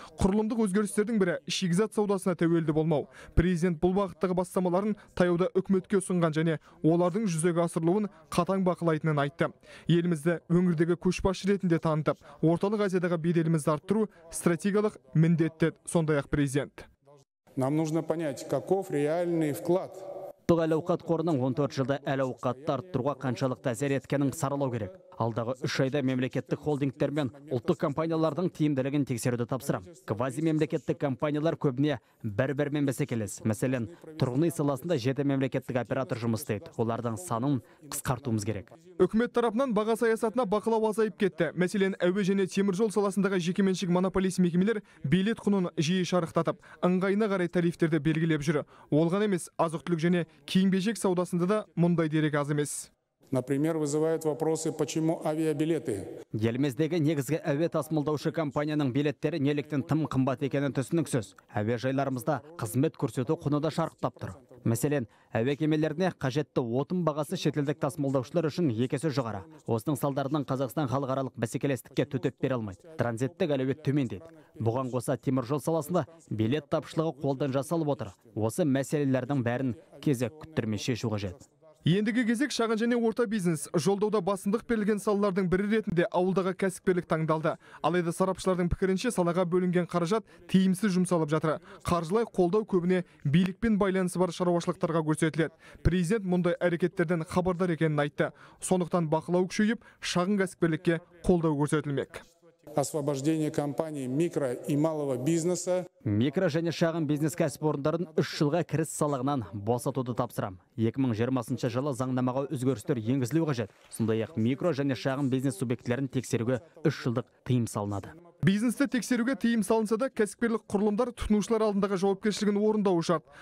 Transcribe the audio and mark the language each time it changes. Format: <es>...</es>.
<kk>Құрылымдық өзгерістердің бірі шикізат саудасына тәуелді болмау. Президент бұл бағыттағы бастамаларын таяуда үкіметке ұсынған және олардың жүзеге асырылуын қатаң бақылайтынын айтты. Елімізді өңірдегі көшбасшы ретінде танытып, Орталық Азиядағы беделімізді арттыру стратегиялық міндет деді сондай-ақ президент.</kk> <ru>Нам нужно понять, каков реальный вклад.</ru> <kk>Бұл әл-ауқат қорының 14 жылда әл-ауқатты арттыруға қаншалықты әсер еткенін саралау керек. Алдағы 3 айда мемлекеттік холдингтер мен ұлттық компаниялардың тиімділігін тексеруді тапсырам. Квазимемлекеттік компаниялар көбіне бір-бірімен бәсекелес. Мәселен, тұрғын үй саласында 7 мемлекеттік оператор жұмыс істейді. Олардың санын қысқартуымыз керек. Үкімет тарапынан баға саясатына бақылау азайып кетті. Мәселен, әуе және теміржол саласындағы жекеменшік монополист мекемелер билет құнын жиі шарықтатып, ыңғайына қарай тарифтерді белгілеп жүр. Ол ғана емес, азық-түлік және киім-кешек саудасында да мұндай дерек аз емес.</kk> <ru>Например, вызывают вопросы, почему авиабилеты.</ru> <kk>Еліміздегі негізгі әуе тасымалдаушы компанияның билеттері неліктен тым қымбат екені түсініксіз. Әуежайларымызда қызмет көрсету құны да шарықтап тұр. Мәселен, әуе кемелеріне қажетті отын бағасы шетелдік тасымалдаушылар үшін екесі жоғары. Осының салдарынан Қазақстан халықаралық бәсекелестікке төтеп бере алмайды. Транзиттік әлеует төмендейді. Бұған қоса теміржол саласында билет тапшылығы қолдан жасалып отыр. Осы мәселелердің бәрін кезек күттірмей шешу қажет. Ендігі кезек шағын және орта бизнес. Жолдауда басымдық берілген салалардың бірі ретінде ауылдағы кәсіпкерлік таңдалды. Алайда сарапшылардың пікірінше салаға бөлінген қаражат тиімсіз жұмсалып жатыр. Қаржылай қолдау көбіне билікпен байланысы бар шаруашылықтарға көрсетіледі. Президент мұндай әрекеттерден хабардар екенін айтты. Сондықтан бақылау күшейіп, шағын кәсіпкерлікке қолдау көрсетілмек.</kk> <ru>Освобождение компаний микро и малого бизнеса.</ru> <kk>Микро және шағын бизнес кәсіпорындарын 3 жылға кіріс салығынан босатуды тапсырам. 2020 жылы заңнамаға өзгерістер енгізілу қажет. Сондай-ақ микро және шағын бизнес субъектілерін тексеруге 3 жылдық тыйым салынады. Бизнесті тексеруге тыйым салынса да, кәсіпкерлік құрылымдар тұтынушылар алдындағы жауапкершілігін орындауы шарт.</kk>